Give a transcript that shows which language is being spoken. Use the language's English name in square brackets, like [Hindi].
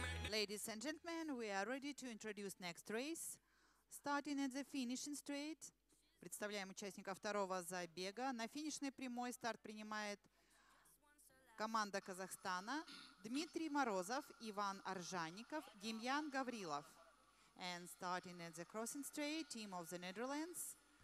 [English] Ladies and gentlemen, we are ready to introduce next race. Starting at the finishing straight. [Russian] Представляем участников второго забега. На финишной прямой старт принимает команда Казахстана. Дмитрий Морозов, Иван Арзхаников, Демьян Гаврилов. [English] And starting at the crossing straight, team of the Netherlands.